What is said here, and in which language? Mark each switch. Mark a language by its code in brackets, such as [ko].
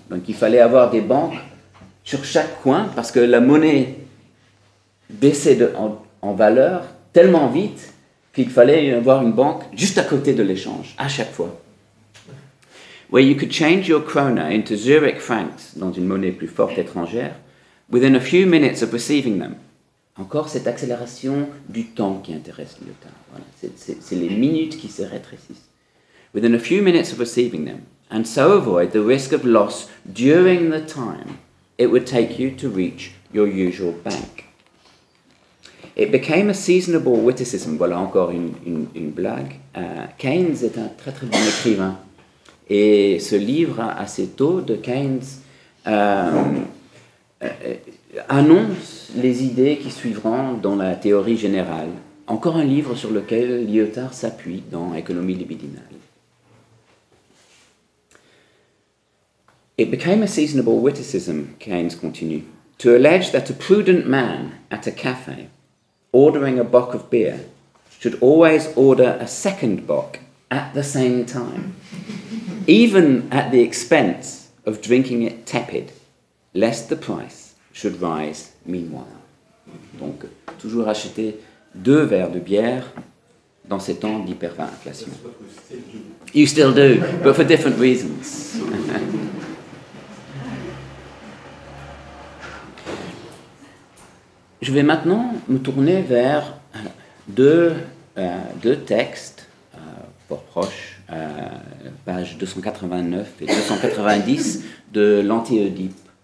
[fr] Donc, il fallait avoir des banques sur chaque coin parce que la monnaie baissait en valeur tellement vite qu'il fallait avoir une banque juste à côté de l'échange, à chaque fois. [en] Where you could change your krona into Zurich francs, [fr] dans une monnaie plus forte étrangère, [en] within a few minutes of receiving them. [fr] Encore cette accélération du temps qui intéresse Lyotard. Voilà, c'est les minutes qui se rétrécissent. [en] Within a few minutes of receiving them, and so avoid the risk of loss during the time it would take you to reach your usual bank. It became a seasonable witticism. [fr] Voilà encore une blague. Keynes est un très très bon écrivain. Et ce livre assez tôt de Keynes annonce les idées qui suivront dans la théorie générale. Encore un livre sur lequel Lyotard s'appuie dans Économie libidinale. [en] It became a seasonable witticism, Keynes continue, to allege that a prudent man at a cafe ordering a bock of beer should always order a second bock at the same time, even at the expense of drinking it tepid, lest the price should rise meanwhile. [fr] Donc, toujours acheter deux verres de bière dans ces temps d'hyperinflation. [en] You still do, but for different reasons. [fr] Je vais maintenant me tourner vers deux textes fort proches, page 289 et 290 de l'Anti-Oedipe.